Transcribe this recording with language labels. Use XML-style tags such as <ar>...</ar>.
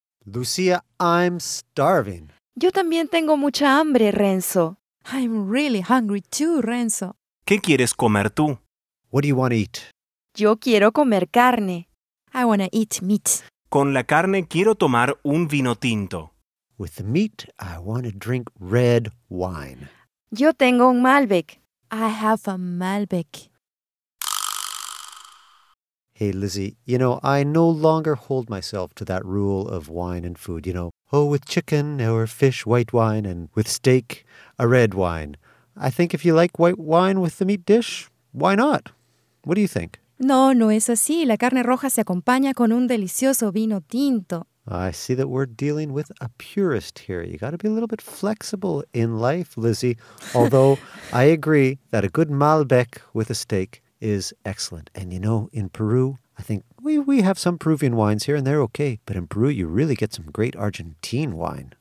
<en>Lucía, I'm starving.</en> <es>Yo también tengo mucha hambre, Renzo.</es> <en>I'm really hungry too, Renzo.</en> <es>¿Qué quieres comer tú?</es> <en>What do you want to eat?</en> <es>Yo quiero comer carne.</es> <en>I want to eat meat.</en> <es>Con la carne quiero tomar un vino tinto.</es> <en>With the meat, I want to drink red wine.</en> <es>Yo tengo un Malbec.</es> <en>I have a Malbec. Hey, Lizzie, you know, I no longer hold myself to that rule of wine and food. You know, with chicken or fish, white wine, and with steak, a red wine. I think if you like white wine with the meat dish, why not? What do you think?</en> <es>No, no es así. La carne roja se acompaña con un delicioso vino tinto.</es> <en>I see that we're dealing with a purist here. You got to be a little bit flexible in life, Lizzie. Although, I agree that a good Malbec with a steak is excellent. And you know, in Peru, I think we have some Peruvian wines here and they're okay. But in Peru, you really get some great Argentine wine.</en>